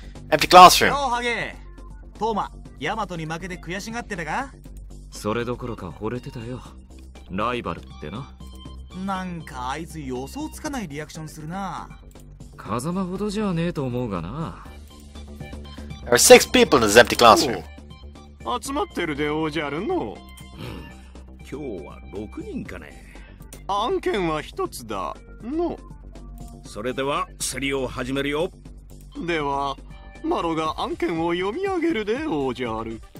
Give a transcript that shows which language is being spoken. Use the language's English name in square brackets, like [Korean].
[English] Empty classroom. [Japanese] Oh, Hage! Toma, Yamato に負けて悔しがってたか？それどころか惚れてたよ。ライバルってな。なんかあいつ予想つかないリアクションするな。風間ほどじゃねえと思うがな。 [English] There are six people in this empty classroom. [Japanese] 集まってるでおじゃるの。今日は6人かね。案件は一つだの。それでは競りを始めるよ。ではマロが案件を読み上げるでおじゃる。